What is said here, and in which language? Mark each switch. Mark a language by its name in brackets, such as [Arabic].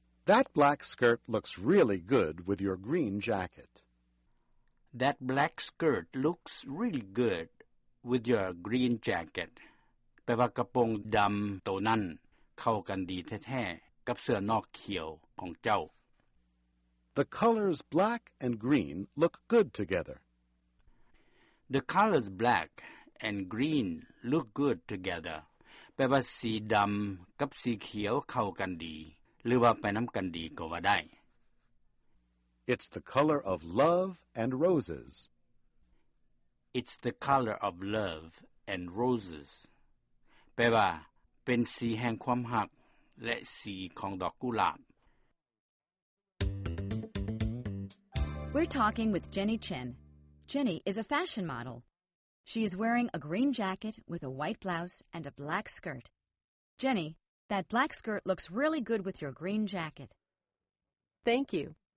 [English] That black skirt looks really good with your green jacket. That black skirt looks really good with your green jacket. [Thai] แปลว่ากระโปรงดำตัวนั้นเข้ากันดีแท้ๆกับเสื้อนอกเขียวของเจ้า [English] The colors black and green look good together. The colors blackAnd green look good together. [Thai] แปลว่าสีดำกับสีเขียวเข้ากันดีหรือว่าไปน้ำกันดีก็ว่าได้ [English] It's the color of love and roses. It's the color of love and roses. [Thai] แปลว่าเป็นสีแห่งความรักและสีของดอกกุหลาบ [English] We're talking with Jenny Chen. Jenny is a fashion model. She is wearing a green jacket with a white blouse and a black skirt. Jenny, that black skirt looks really good with your green jacket. Thank you.